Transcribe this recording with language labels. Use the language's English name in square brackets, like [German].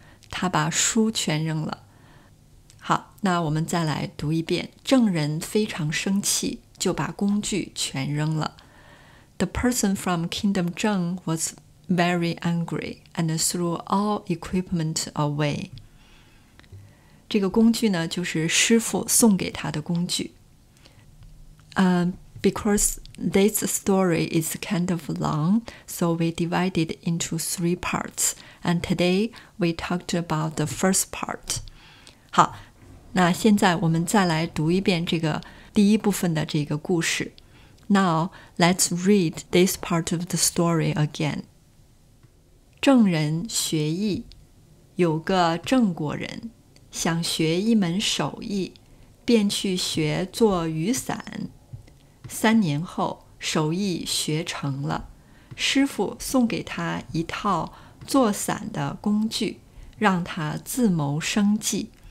[Chinese] 他把书全扔了。好，那我们再来读一遍。郑人非常生气，就把工具全扔了。 [English] The person from Kingdom Zheng was very angry and threw all equipment away. [Chinese] 这个工具呢，就是师傅送给他的工具。 [English] Because this story is kind of long, so we divided into three parts. And today, we talked about the first part. [Chinese] 好，那现在我们再来读一遍这个第一部分的这个故事。 [English] Now, let's read this part of the story again. [Chinese] 郑人学艺，有个郑国人，想学一门手艺，便去学做雨伞。三年后，手艺学成了，师傅送给他一套做伞的工具，让他自谋生计。